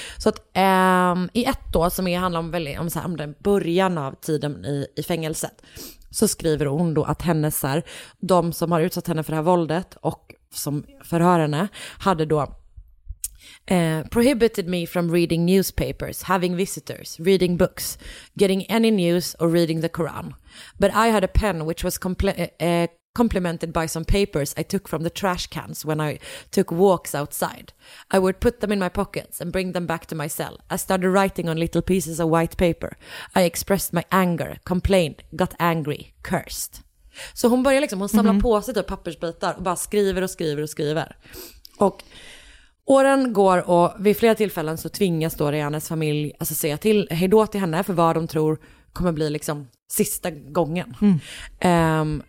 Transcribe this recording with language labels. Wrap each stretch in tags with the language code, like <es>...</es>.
<sv>Så att, i ett då, som handlar om den början av tiden i fängelset, så skriver hon då att hennes, de som har utsatt henne för det här våldet och som förhör henne, hade då</sv> <en>prohibited me from reading newspapers, having visitors, reading books, getting any news or reading the Quran. But I had a pen which was complemented by some papers I took from the trash cans when I took walks outside. I would put them in my pockets and bring them back to my cell. I started writing on little pieces of white paper. I expressed my anger, complained, got angry, cursed.</en> <sv>Så hon börjar liksom, hon samlar på sig pappersbitar och bara skriver och skriver och skriver. Och åren går, och vid flera tillfällen så tvingas då Rihannas familj, alltså, säga till hejdå till henne för vad de tror kommer bli liksom sista gången. Mm.</sv>